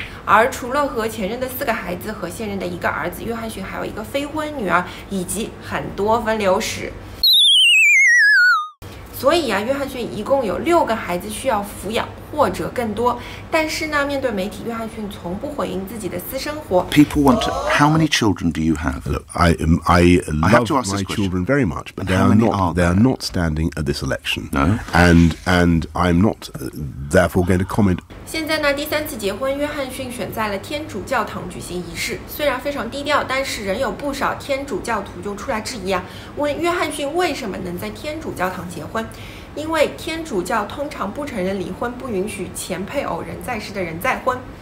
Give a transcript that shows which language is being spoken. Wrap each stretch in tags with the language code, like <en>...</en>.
<zh>而除了和前任的4个孩子和现任的1个儿子，约翰逊还有一个非婚女儿以及很多分流史。所以啊，约翰逊一共有6个孩子需要抚养，挫折更多。但是呢，面对媒体，约翰逊从不回应自己的私生活。</zh> <en>People want to, how many children do you have? Look, I love my children very much, but they are not. They are not standing at this election. No. And I'm not therefore going to comment.</en> <zh>现在呢，第三次结婚，约翰逊选在了天主教堂举行仪式。虽然非常低调，但是仍有不少天主教徒就出来质疑啊，问约翰逊为什么能在天主教堂结婚。因为天主教通常不承认离婚，不允许前配偶人在世的人再婚。</zh>